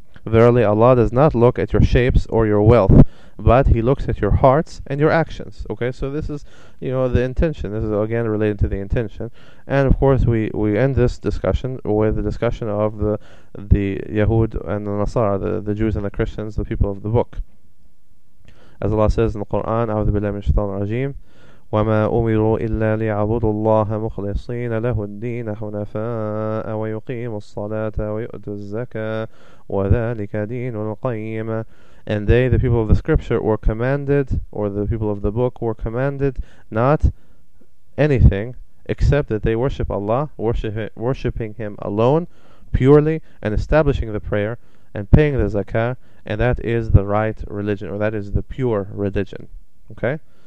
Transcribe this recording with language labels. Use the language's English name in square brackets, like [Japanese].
[English] Verily, Allah does not look at your shapes or your wealth, but He looks at your hearts and your actions. Okay, so this is, you know, the intention. This is, again, related to the intention. And, of course, we end this discussion with the discussion of the Yahud and the Nasara, the Jews and the Christians, the people of the book. As Allah says in the Quran, [Arabic] أعوذ بالله من الشيطان الرجيم, وَمَا أُمِرُوا إِلَّا لِيَعْبُدُوا اللَّهَ مُخْلِصِينَ لَهُ الدِّينَ حُنَفَاءَ وَيُقِيمُوا الصَّلَاةَ وَيُؤْتُوا الزَّكَاةَ وَذَلِكَ دِينُ الْقَيِّمَةَ. [English] And they, the people of the scripture, were commanded, or the people of the book, were commanded not anything except that they worship Allah, worshiping Him alone, purely and establishing the prayer and paying the zakah, and that is the right religion, or that is the pure religion. Okay?